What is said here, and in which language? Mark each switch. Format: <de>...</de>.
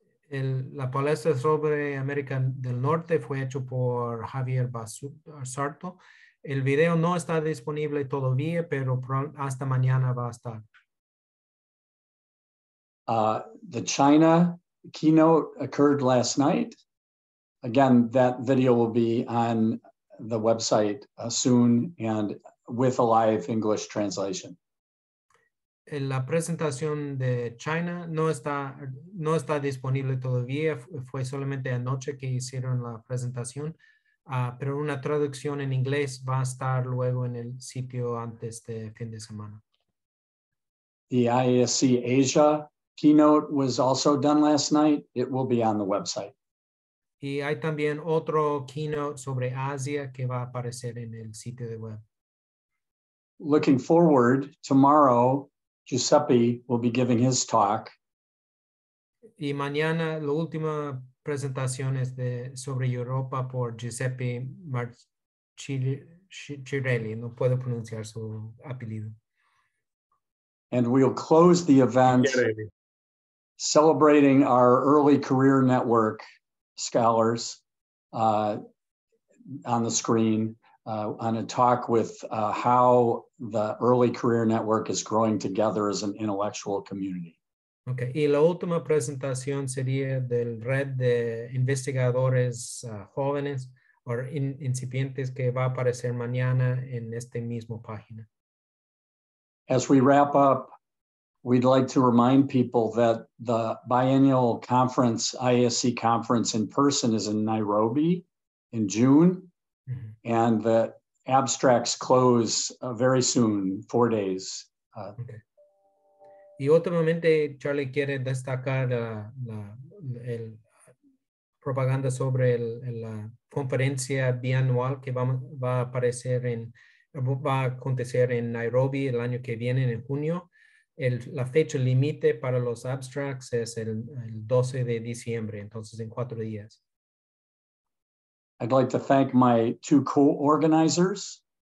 <es>La palestra sobre América del Norte fue hecho por Javier Basurto. El video no está disponible todavía, pero hasta mañana va a estar.</es> <en>The China keynote occurred last night. Again, that video will be on the website soon and with a live English translation.</en> <es>La presentación de China no está disponible todavía. Fue solamente anoche que hicieron la presentación, pero una traducción en inglés va a estar luego en el sitio antes de fin de semana.</es> <en>The IASC Asia keynote was also done last night. It will be on the website.</en> <es>Y hay también otro keynote sobre Asia que va a aparecer en el sitio de web.</es> <en>Looking forward, tomorrow Giuseppe will be giving his talk.</en> <es>Y mañana la última presentación es de sobre Europa por Giuseppe Marchirelli. No puedo pronunciar su apellido.</es> <en>And we'll close the event celebrating our early career network scholars on the screen. On a talk with how the early career network is growing together as an intellectual community.</en> <es>Okay, y la última presentación sería del red de investigadores jóvenes o incipientes que va a aparecer mañana en este mismo página.</es> <en>As we wrap up, we'd like to remind people that the biennial conference, IASC conference in person, is in Nairobi in June. And the abstracts close very soon, 4 days.</en> <es>Okay. Y últimamente, Charlie quiere destacar el propaganda sobre la conferencia bianual que va a acontecer en Nairobi el año que viene, en junio. La fecha límite para los abstracts es el 12 de diciembre, entonces en 4 días.</es> <en>I'd like to thank my two co-organizers.</en>